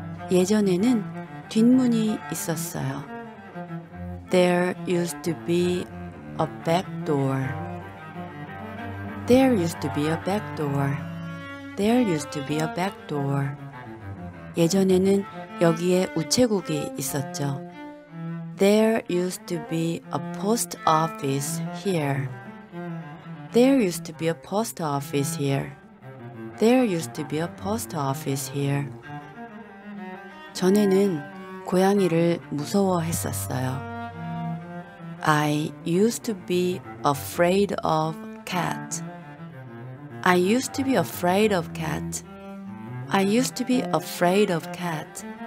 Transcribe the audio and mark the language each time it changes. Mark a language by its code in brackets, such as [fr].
[ko] 예전에는 뒷문이 있었어요. [en] There used to be a back door. There used to be a back door. There used to be a back door. [ko] 예전에는 여기에 우체국이 있었죠. [en] There used to be a post office here. There used to be a post office here. There used to be a post office here. [ko] 전에는 고양이를 무서워했었어요. [en] I used to be afraid of cat. I used to be afraid of cat. I used to be afraid of cat.